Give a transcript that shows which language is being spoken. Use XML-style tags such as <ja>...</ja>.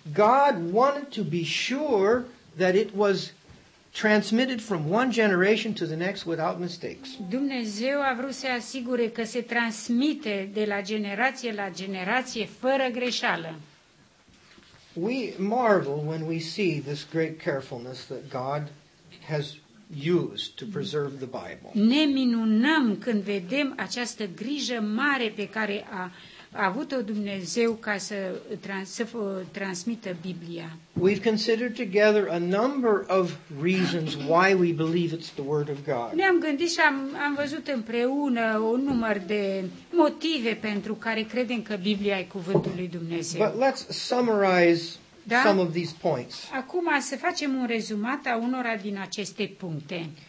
<en>God wanted to be sure that it was transmitted from one generation to the next without mistakes.</en> <ro>Dumnezeu a vrut să asigure că se transmite de la generație la generație fără greșeală.</ro> <en>We marvel when we see this great carefulness that God has used to preserve the Bible.</en> <ro>Ne minunăm când vedem această grijă mare pe care a avut-o Dumnezeu ca să transmită Biblia.</ro> <en>We've considered together a number of reasons why we believe it's the Word of God.</en> <ro>Ne-am gândit și am văzut împreună un număr de motive pentru care credem că Biblia e cuvântul lui Dumnezeu.</ro> <en>But let's summarize</en> <ro>da?</ro> <en>Some of these points.</en> <ro>Acum să facem un rezumat a unora din aceste puncte.</ro>